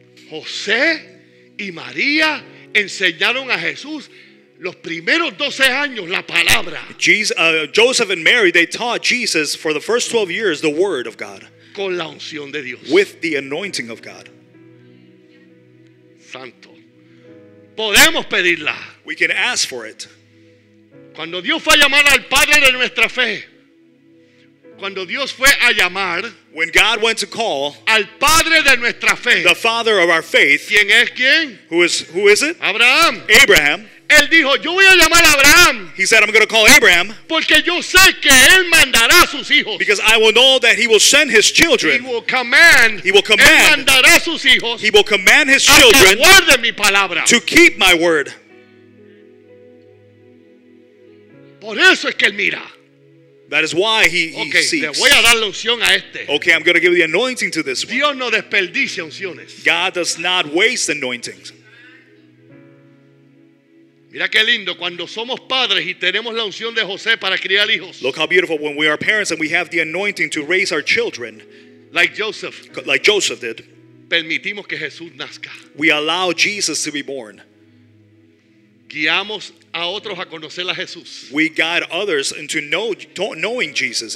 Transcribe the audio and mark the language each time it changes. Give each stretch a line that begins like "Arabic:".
Spanish: José y María enseñaron a Jesús los primeros 12 años la palabra.
English: Joseph and Mary, they taught Jesus for the first 12 years the word of God.
Spanish: Con la unción de Dios.
English: With the anointing of God.
Spanish: Santo. Podemos pedirla.
English: We can ask for it.
Spanish: Cuando Dios fue a llamar al padre de nuestra fe, Cuando Dios fue a llamar,
English: when God went to call,
Spanish: al padre de nuestra fe,
English: the father of our faith,
Spanish: ¿quién es quién?
English: Who is it?
Spanish: Abraham.
English: Abraham.
Spanish: Él dijo, yo voy a llamar a Abraham.
English: He said, I'm going to call Abraham.
Spanish: Porque yo sé que él mandará a sus hijos.
English: Because I will know that he will send his children. He will command.
Spanish: Él mandará a sus hijos.
English: He will command his children.
Spanish: A que guarden mi palabra.
English: To keep my word.
Spanish: Por eso es que él mira.
English: That is why he seeks.
Spanish: Le voy a dar la unción a este.
English: Okay, I'm going to give the anointing to this
Spanish: Dios
English: one.
Spanish: No desperdicia unciones.
English: God does not waste anointings.
Spanish: Mira qué lindo cuando somos padres y tenemos la unción de José para criar hijos.
English: Look how beautiful when we are parents and we have the anointing to raise our children. Like Joseph did.
Spanish: Permitimos que Jesús nazca.
English: We allow Jesus to be born.
Spanish: Guiamos a otros a conocer a Jesús.
English: We guide others into knowing Jesus.